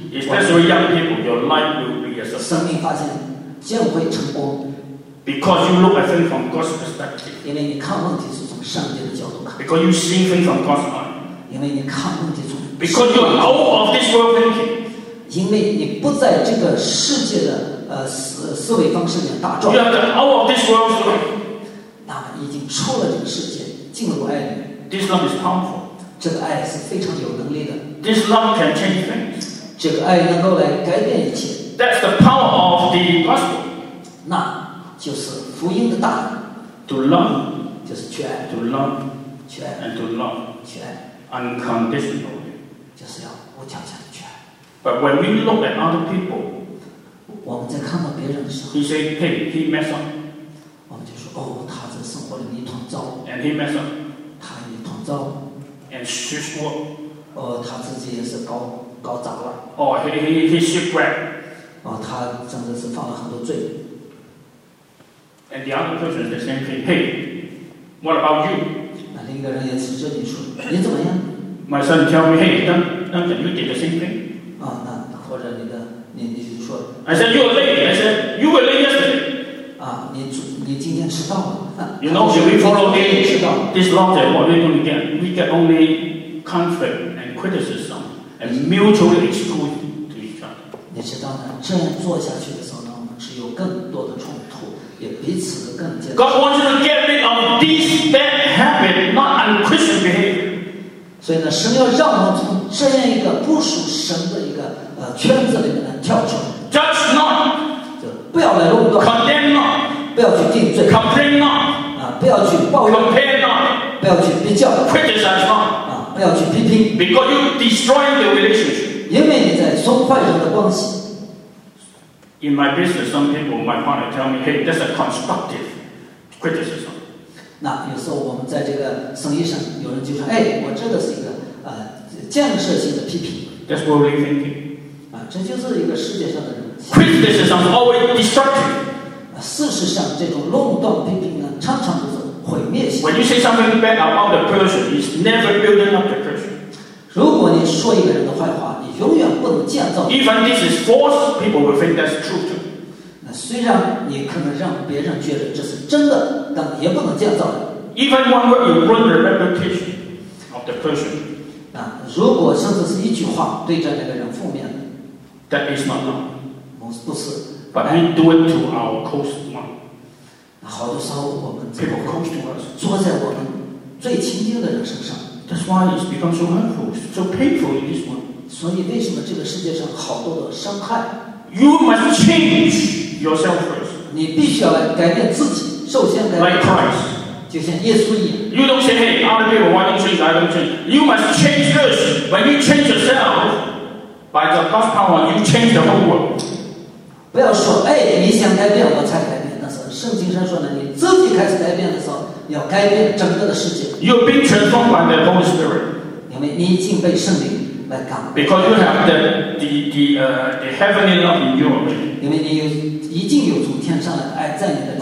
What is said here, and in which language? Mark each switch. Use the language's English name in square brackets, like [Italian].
[English] especially young people, your life will be a success [Chinese] 生命发现将会成功 [English] because you look at things from God's perspective [Chinese] 因为你看问题是从上帝的角度看 [English] because you see things from God's mind [Chinese] 因为你看问题从 [English] because you are out of this world thinking [Chinese] 因为你不在这个世界的思维方式里面打转 [English] You have to out of this world [Chinese] 那么已经出了这个世界进入爱里面 [English] This love is powerful [Chinese] 这个爱是非常有能力的 [English] This love can change things [Chinese] 这个爱能够来改变一切 [English] That's the power of the gospel [Chinese] 那就是福音的大能 [English] To love [Chinese] 就是去爱 [English] To love [Chinese] 去爱 [English] And to love [Chinese] 去爱 [English] Unconditionally [Chinese] 就是要无条件 [English] But when we look at other people, [Chinese] 我们在看到别人的时候 [English] he said, hey, he messed up. [Chinese] 我们就说，哦，他这个生活里一团糟。 [English] And he messed up. [Chinese] 他一团糟。 [English] And she swore. [Chinese] 他自己也是搞砸了。 [English] Oh, he shipwrecked. [Chinese] 他真的是犯了很多罪。 [English] And the other person the same thing, hey, what about you? [Chinese] 那另一个人也是这里说，你怎么样？ [English] My son tell me, hey, Duncan, you did the same thing. [Chinese] 那或者你就说 [English] I said you were late I said you were late yesterday [Chinese] 你今天迟到了。 [English] You know, if we follow this logic, what we do again, we get only conflict and criticism and mutually exclude to each other. [Chinese] 你知道呢？这样做下去的时候呢，我们是有更多的冲突，也彼此的更加。 [English] God wants to get rid of this bad habit, not unchristian behavior. [Chinese] 所以呢，神要让我们从这样一个不属神的一个圈子里面跳出来。 [English] Judge not. [Chinese] 不要来论断 [English] ，condemn not， [Chinese] 不要去定罪 [English] ，complain not， [Chinese] 不要去抱怨 [English] ，compare not， [Chinese] 不要去比较 [English] ，criticize not， [Chinese] 不要去批评 [English] ，because you destroy the relationship， [Chinese] 因为你在损坏人的关系。 [English] In my business, some people might want to tell me, "Hey, that's a constructive criticism." [Chinese] 那有时候我们在这个生意上，有人就说，哎，我这个是一个建设性的批评。 [English] That's what we're thinking. [Chinese] 这就是一个世界上的人。 [English] Criticism is always destructive. [Chinese] 事实上，这种论断批评呢，常常都是毁灭性。 [English] When you say something bad about the person, it's never building up the person. [Chinese] 如果你说一个人的坏话，你永远不能建造。 [English] Even this is false, people will think that's true. [Chinese] 那虽然你可能让别人觉得这是真的，但也不能建造。 [English] Even one word will ruin the reputation of the person. [Chinese] 如果甚至是一句话对着那个人负面的 [English] ，That is not wrong. [Chinese] 不是 [English] But we do it to our close one. [Chinese] 好多时候我们 [English] People close to us. [Chinese] 坐在我们最亲近的人身上 [English] That's why it's become so hurtful, so painful in this one. [Chinese] 所以为什么这个世界上好多的伤害 [English] You must change yourself first. [Chinese] 你必须要来改变自己首先改变 [English] Like Christ. [Chinese] 就像耶稣一样 [English] You don't say, hey, other people, why don't change, I don't change. You must change this. When you change yourself, by the God's power, you change the whole world. [Chinese] 不要说，哎，你想改变，我才改变。那是圣经上说的，你自己开始改变的时候，要改变整个的世界。 [English] You've been transformed by the Holy Spirit. [Chinese] 因为你已经被圣灵来感动。 [English] Because you have the heavenly love in you. [Chinese] 因为你有已经有从天上来的爱在你的。